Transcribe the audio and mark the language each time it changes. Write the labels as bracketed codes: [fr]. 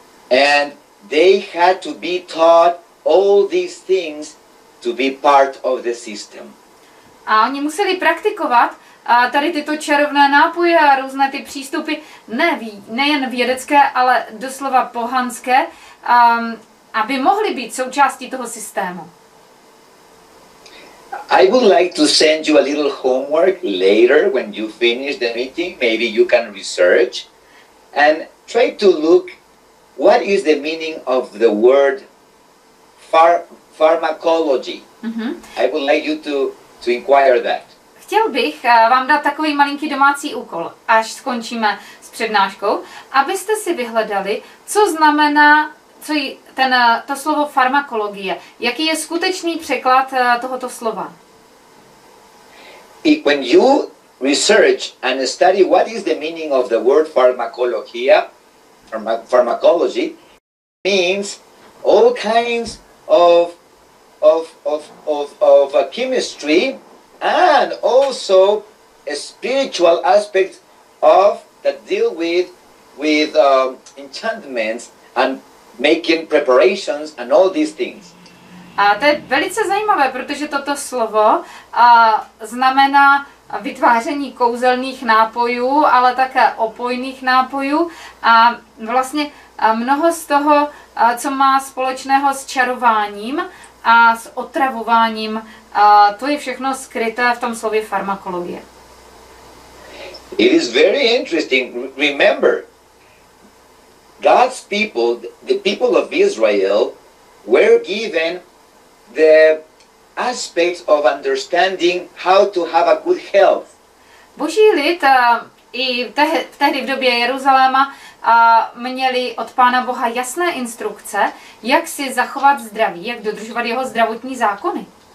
[en] And they had to be taught all these things to be part of the system. [cs] A oni museli praktikovat tady tyto čarovné nápoje a různé ty přístupy, nejen vědecké, ale doslova pohanské, aby mohli být součástí toho systému. [en] I would like to send you a little homework later when you finish the meeting. Maybe you can research and try to look what is the meaning of the word pharmacology. Mm-hmm. I would like you to inquire that. [cs] Chtěl bych vám dát takový malinký domácí úkol, až skončíme s přednáškou, abyste si vyhledali, co znamená to slovo farmakologie. Jaký je skutečný překlad tohoto slova? [en] When you research and study what is the meaning of the word pharmacologia, pharmacology means all kinds of chemistry and also spiritual aspects of that deal with enchantments and making preparations and all these things. [cs] A to je velice zajímavé, protože toto slovo znamená vytváření kouzelných nápojů, ale také opojných nápojů. A vlastně mnoho z toho, co má společného s čarováním a s otravováním, to je všechno skryté v tom slově farmakologie. [en] It is very interesting. Remember, God's people, the people of Israel, were given the aspects of understanding how to have a good health. [cs] Boží lid i tehdy v době Jeruzaléma měli od Pána Boha jasné instrukce, jak si zachovat zdraví, jak dodržovat jeho zdravotní zákony.